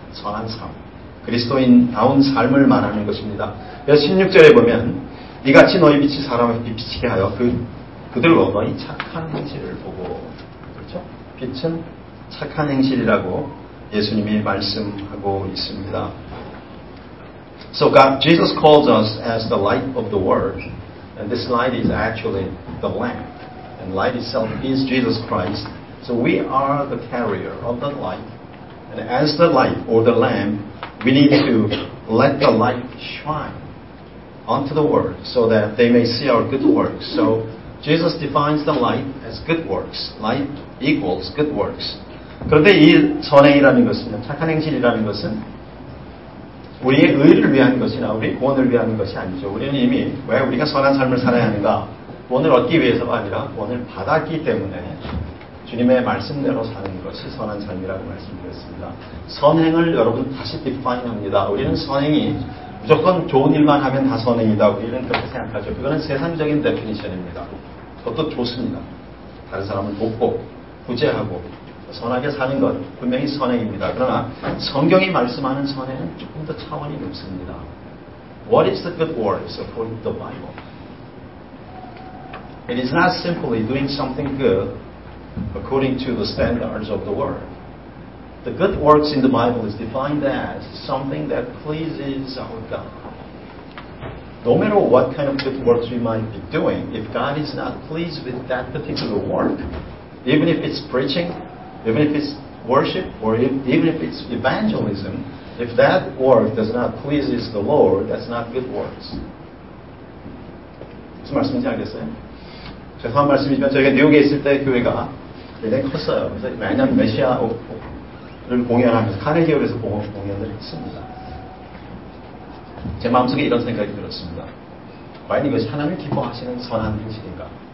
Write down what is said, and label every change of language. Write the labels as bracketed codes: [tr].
[ko] 선한 삶, 그리스도인다운 삶을 말하는 것입니다. 16절에 보면 이같이 너희 빛이 사람에게 비치게 하여 그들로 너희 착한 행실을 보고, 그렇죠? 빛은 착한 행실이라고 예수님이 말씀하고 있습니다. [en] So God, Jesus calls us as the light of the world, and this light is actually the lamp, and light itself is Jesus Christ. So we are the carrier of the light, and as the light or the lamp, we need to let the light shine onto the world so that they may see our good works. So Jesus defines the light as good works. Light equals good works. [ko] 그런데 이 선행이라는 것은, 착한 행실이라는 것은 우리의 의를 위한 것이나 우리의 구원을 위한 것이 아니죠. 우리는 이미 왜 우리가 선한 삶을 살아야 하는가? 구원을 얻기 위해서가 아니라 구원을 받았기 때문에 주님의 말씀대로 사는 것이 선한 삶이라고 말씀드렸습니다. 선행을 여러분 다시 디파인합니다. 우리는 선행이 무조건 좋은 일만 하면 다 선행이다. 우리는 그렇게 생각하죠. 그거는 세상적인 데피니션입니다. 그것도 좋습니다. 다른 사람을 돕고 구제하고 선하게 사는 것 분명히 선행입니다. 그러나 성경이 말씀하는 선행은 조금 더 차원이 높습니다. [en] What is the good works according to the Bible? It is not simply doing something good according to the standards of the world. The good works in the Bible is defined as something that pleases our God. No matter what kind of good works we might be doing, if God is not pleased with that particular work, even if it's preaching, even if it's worship, or even if it's evangelism, if that work does not please the Lord, that's not good works. [ko] 무슨 말씀인지 알겠어요? 죄송한 말씀이지만 저희가 뉴욕에 있을 때 교회가 굉장히 컸어요. 그래서 매년 메시아를 공연하면서 카네기홀에서 공연을 했습니다. 제 마음속에 이런 생각이 들었습니다. 과연 이것이 하나님을 기뻐하시는 선한 행실인가?